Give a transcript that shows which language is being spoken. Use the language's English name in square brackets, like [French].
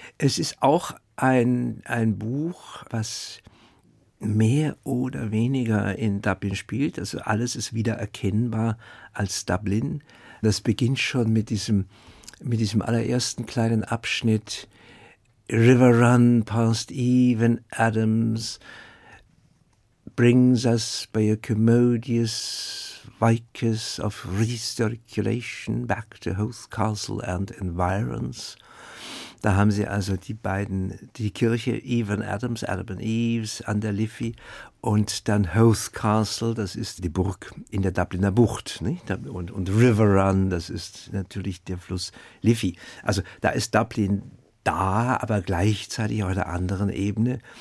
[German] Es ist auch ein Buch, was mehr oder weniger in Dublin spielt. Also alles ist wieder erkennbar als Dublin. Das beginnt schon mit diesem allerersten kleinen Abschnitt. [English] River Run past Evan Adams brings us by a commodious vicus of recirculation back to Howth Castle and environs. [German] Da haben sie also die beiden, die Kirche, Evan Adams, Adam and Eves an der Liffey und dann Howth Castle, das ist die Burg in der Dubliner Bucht, nicht? Und River Run, das ist natürlich der Fluss Liffey. Also da ist Dublin da, aber gleichzeitig auf einer anderen Ebene.